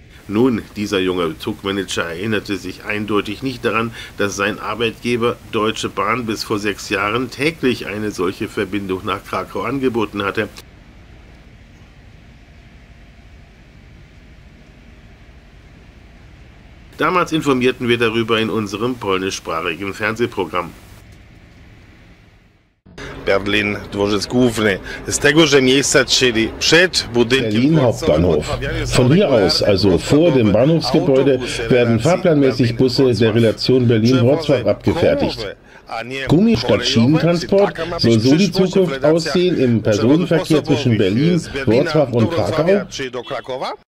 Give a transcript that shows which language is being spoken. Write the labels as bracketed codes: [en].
[de] nun, dieser junge Zugmanager erinnerte sich eindeutig nicht daran, dass sein Arbeitgeber Deutsche Bahn bis vor sechs Jahren täglich eine solche Verbindung nach Krakau angeboten hatte. Damals informierten wir darüber in unserem polnischsprachigen Fernsehprogramm. [pl] Berlin, Dworzec Główny. Z tegoże miejsca, czyli przed budynkiem. [de] Berlin Hauptbahnhof. Von hier aus, also vor dem Bahnhofsgebäude, werden fahrplanmäßig Busse der Relation Berlin-Wrocław abgefertigt. Gummi statt Schienentransport soll so die Zukunft aussehen im Personenverkehr zwischen Berlin, Wrocław und Krakau?